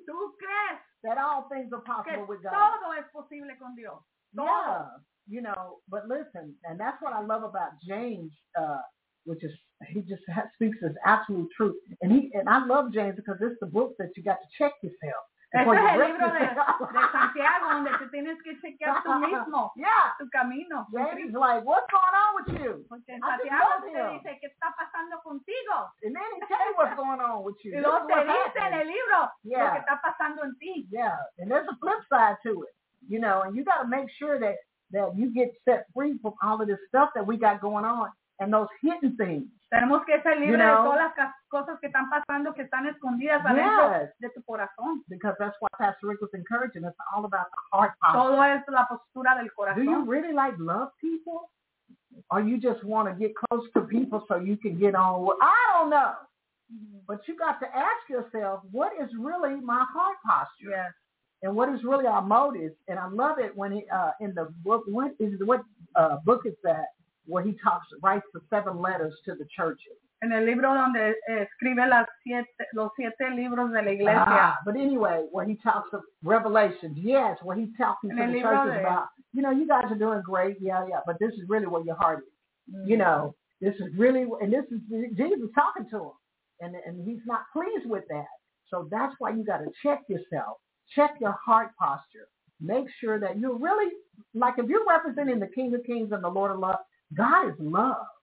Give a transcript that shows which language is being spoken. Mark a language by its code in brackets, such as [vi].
[es] ¿Tú crees [en] that all things are possible [es] que [en] with God? [es] Todo es posible con Dios. Todo. [en] Yeah, you know, but listen, and that's what I love about James, which is, he just speaks his absolute truth. And I love James because it's the book that you got to check yourself. [es] Ese es el libro de Santiago, donde te tienes que chequear tú mismo, tu camino. [en] James is like, what's going on with you? [es] Porque en Santiago te dice, ¿qué está pasando? pasando contigo. [en] And then he tells you what's going on with you. [es] Y lo te dice en el libro lo que está pasando en ti. [en] Yeah, and there's a flip side to it. You know, and you got to make sure that, you get set free from all of this stuff that we got going on and those hidden things. [es] Tenemos que ser libres de todas las cosas que están pasando, que están escondidas adentro de tu corazón. [en] Because that's why Pastor Rick was encouraging. It's all about the heart. [es] Todo es la postura del corazón. [en] Do you really like love people? Or you just want to get close to people so you can get on? I don't know. But you got to ask yourself, what is really my heart posture? Yes. And what is really our motive? And I love it when in the book, book is that? Where he writes the seven letters to the churches. [es] En el libro donde escribe los siete libros de la iglesia. [en] But anyway, where he talks of Revelations. Yes, where he's talking to the churches about, you know, you guys are doing great. Yeah, yeah. But this is really where your heart is. Mm-hmm. You know, this is really, and this is Jesus talking to him. And he's not pleased with that. So that's why you got to check yourself. Check your heart posture. Make sure that you're really, like if you're representing the King of Kings and the Lord of Love, God is love.